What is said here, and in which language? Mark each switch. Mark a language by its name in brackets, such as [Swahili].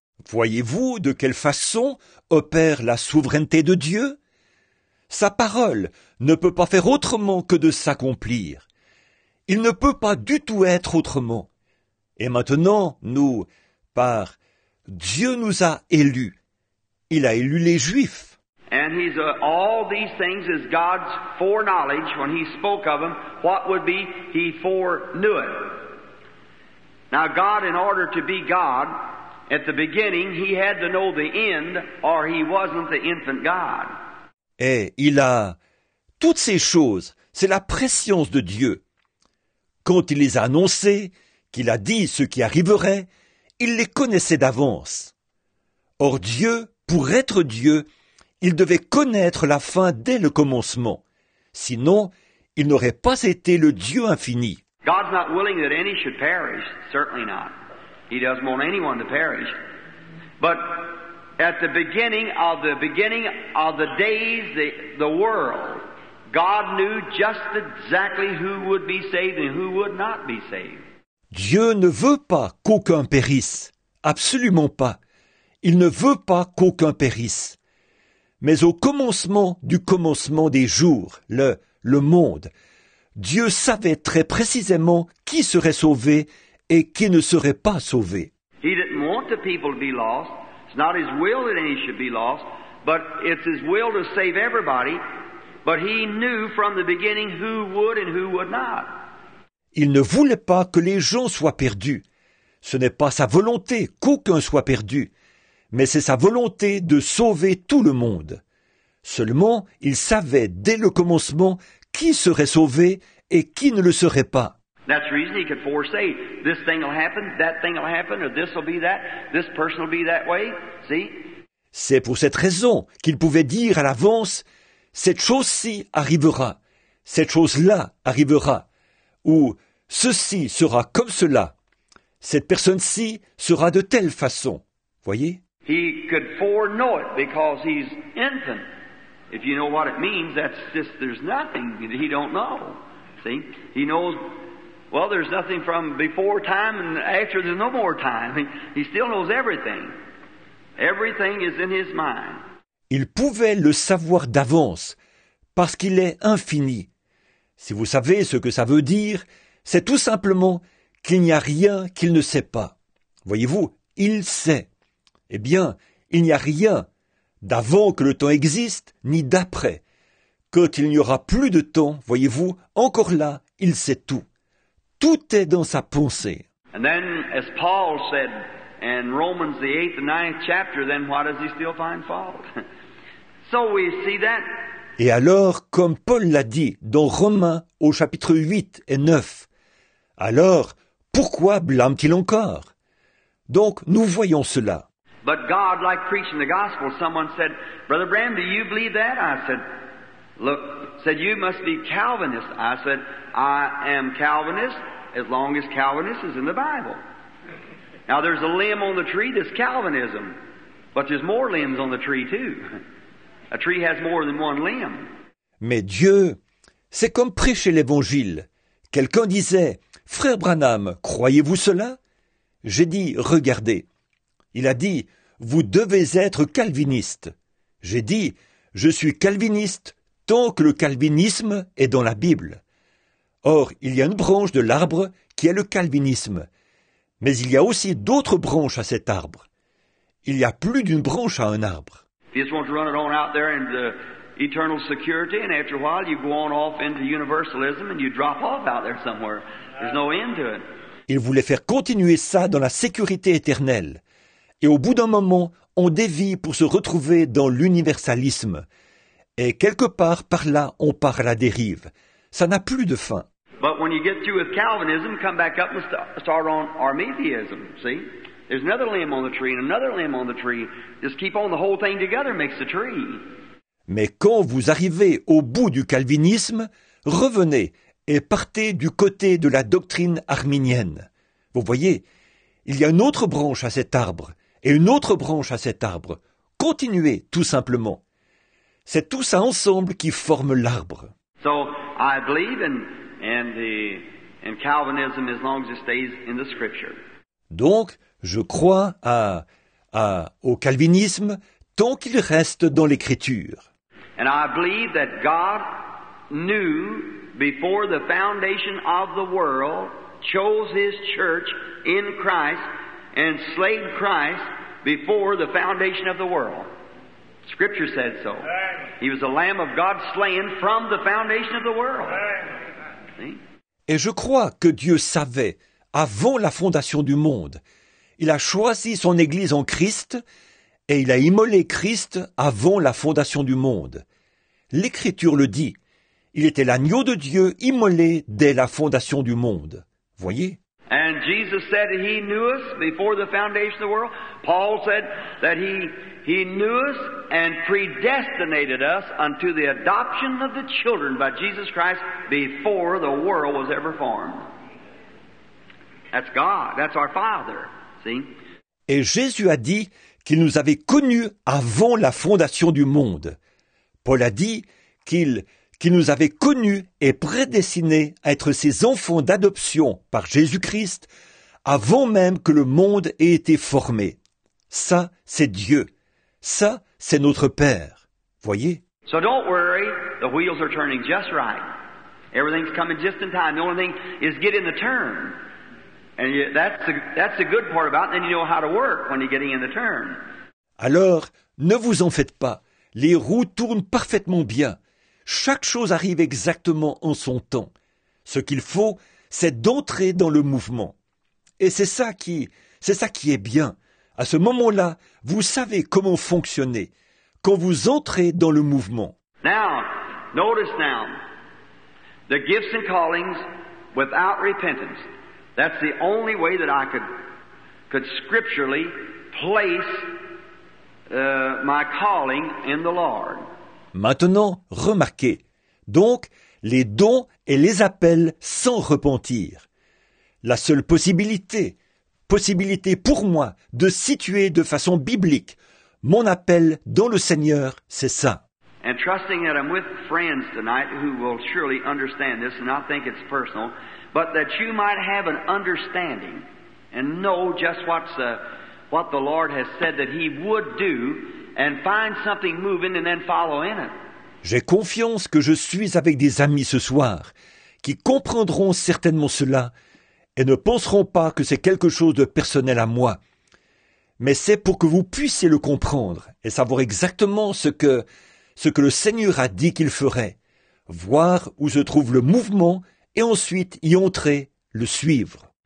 [French] Voyez-vous de quelle façon opère la souveraineté de Dieu? Sa parole ne peut pas faire autrement que de s'accomplir. Il ne peut pas du tout être autrement. Et maintenant, nous, par Dieu nous a élus. Il a élu les Juifs. [English] And he's all these things is God's foreknowledge when he spoke of them, what would be he foreknew it. Now God, in order to be God, at the beginning, he had to know the end, or he wasn't the infant God. [French] Et il a toutes ces choses, c'est la prescience de Dieu. Quand il les a annoncées, qu'il a dit ce qui arriverait, il les connaissait d'avance. Or Dieu, pour être Dieu, il devait connaître la fin dès le commencement. Sinon, il n'aurait pas été le Dieu infini. [English] God's not willing that any should perish, certainly not. He doesn't want anyone to perish. But at the beginning of the days, the world, God knew just exactly who would be saved and who would not be saved. [French] Dieu ne veut pas qu'aucun périsse. Absolument pas. Il ne veut pas qu'aucun périsse. Mais au commencement du commencement des jours, le monde, Dieu savait très précisément qui serait sauvé et qui ne serait pas sauvé. [English] He didn't want the people to be lost. It's not his will that any should be lost, but it's his will to save everybody. But he knew from the beginning who would and who would not. [French] Il ne voulait pas que les gens soient perdus. Ce n'est pas sa volonté qu'aucun soit perdu, mais c'est sa volonté de sauver tout le monde. Seulement, il savait dès le commencement qui serait sauvé et qui ne le serait pas. [English] That's the reason he could foresee this thing will happen, that thing will happen, or this will be that, this person will be that way. See? [French] C'est pour cette raison qu'il pouvait dire à l'avance, cette chose-ci arrivera, cette chose-là arrivera. Ou ceci sera comme cela, cette personne-ci sera de telle façon. Voyez? [English] He could foreknow it because he's infant. If you know what it means, that's just there's nothing he don't know. See? He knows, well, there's nothing from before time and after, there's no more time. He still knows everything. Everything is in his mind. [French] Il pouvait le savoir d'avance parce qu'il est infini. Si vous savez ce que ça veut dire, c'est tout simplement qu'il n'y a rien qu'il ne sait pas. Voyez-vous, il sait. Eh bien, il n'y a rien d'avant que le temps existe, ni d'après. Quand il n'y aura plus de temps, voyez-vous, encore là, il sait tout. Tout est dans sa pensée. [English] And then, as Paul said, in Romans, the 8th and 9th chapter, then why does he still find fault? So we see that. [French] Et alors, comme Paul l'a dit dans Romains au chapitre 8 et 9, alors pourquoi blâme-t-il encore? Donc, nous voyons cela. [English] But God, like preaching the gospel, someone said, Brother Branham, do you believe that? I said, look, said, you must be Calvinist. I said, I am Calvinist as long as Calvinist is in the Bible. Now, there's a limb on the tree that's Calvinism, but there's more limbs on the tree too. A tree has more than one limb. [French] Mais Dieu, c'est comme prêcher l'Évangile. Quelqu'un disait, « Frère Branham, croyez-vous cela ?» J'ai dit, « Regardez. » Il a dit, « Vous devez être calviniste. » J'ai dit, « Je suis calviniste tant que le calvinisme est dans la Bible. » Or, il y a une branche de l'arbre qui est le calvinisme. Mais il y a aussi d'autres branches à cet arbre. Il y a plus d'une branche à un arbre. [English] You just want to run it on out there into eternal security, and after a while you go on off into universalism and you drop off out there somewhere. There's no end to it. [French] Il voulait faire continuer ça dans la sécurité éternelle. Et au bout d'un moment, on dévie pour se retrouver dans l'universalisme. Et quelque part, par là, on part à la dérive. Ça n'a plus de fin. [English] But when you get through with Calvinism, come back up and start on Arminianism, see? There's another limb on the tree and another limb on the tree. Just keep on, the whole thing together makes the tree. [French] Mais quand vous arrivez au bout du calvinisme, revenez et partez du côté de la doctrine arminienne. Vous voyez, il y a une autre branche à cet arbre et une autre branche à cet arbre. Continuez tout simplement. C'est tout ça ensemble qui forme l'arbre. [English] So I believe in Calvinism as long as it stays in the scripture. [French] Donc, je crois au calvinisme tant qu'il reste dans l'écriture. [English] And I believe that God knew before the foundation of the world, chose his church in Christ and slayed Christ before the foundation of the world. Scripture said so. He was the Lamb of God slain from the foundation of the world. See? [French] Et je crois que Dieu savait, avant la fondation du monde, il a choisi son Église en Christ et il a immolé Christ avant la fondation du monde. L'Écriture le dit, il était l'agneau de Dieu immolé dès la fondation du monde. Voyez. [English] And Jesus said he knew us before the foundation of the world. Paul said that he knew us and predestinated us unto the adoption of the children by Jesus Christ before the world was ever formed. That's God. That's our Father. See? [French] Et Jésus a dit qu'il nous avait connus avant la fondation du monde. Paul a dit qu'il nous avait connus et prédestinés à être ses enfants d'adoption par Jésus-Christ avant même que le monde ait été formé. Ça, c'est Dieu. Ça, c'est notre Père. Voyez. [English] So don't worry, the wheels are turning just right. Everything's coming just in time. The only thing is getting the turn. And that's the good part about it. Then you know how to work when you're getting in the turn. [French] Alors, ne vous en faites pas. Les roues tournent parfaitement bien. Chaque chose arrive exactement en son temps. Ce qu'il faut, c'est d'entrer dans le mouvement. Et c'est ça qui est bien. À ce moment-là, vous savez comment fonctionner quand vous entrez dans le mouvement. [English] Now, notice now, the gifts and callings without repentance. That's the only way that I could scripturally place my calling in the Lord. [French] Maintenant, remarquez. Donc, les dons et les appels sans repentir. La seule possibilité pour moi de situer de façon biblique mon appel dans le Seigneur, c'est ça. [English] And trusting that I'm with friends tonight who will surely understand this and not think it's personal, but that you might have an understanding and know just what the Lord has said that he would do. And find something moving and then follow in it. [French] J'ai confiance que je suis avec des amis ce soir qui comprendront certainement cela et ne penseront pas que c'est quelque chose de personnel à moi. Mais c'est pour que vous puissiez le comprendre et savoir exactement ce que le Seigneur a dit qu'il ferait, voir où se trouve le mouvement et ensuite y entrer, le suivre.